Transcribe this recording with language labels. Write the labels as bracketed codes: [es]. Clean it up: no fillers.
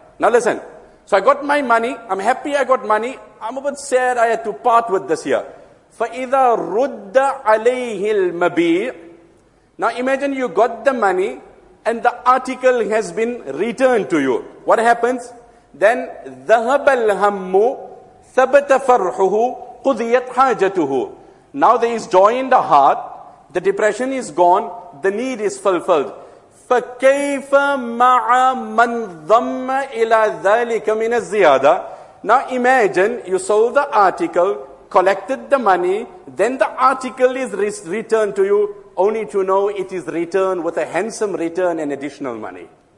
[en] Now listen, so I got my money, I'm happy I got money, I'm a bit sad I had to part with this here. [ar] فَإِذَا رُدَّ عَلَيْهِ الْمَبِيعِ. [en] Now imagine you got the money and the article has been returned to you. What happens? Then [ar] ذَهَبَ الْهَمُّ ثَبَتَ فَرْحُهُ قُذِيَتْ حَاجَتُهُ. [en] Now there is joy in the heart, the depression is gone, the need is fulfilled. [ar] فَكَيْفَ مَعَ مَنْ ضَمَّ إِلَى ذَلِكَ مِنَ الزِّيَادَةِ. [en] Now imagine you sold the article, collected the money, then the article is returned to you, only to know it is returned with a handsome return and additional money.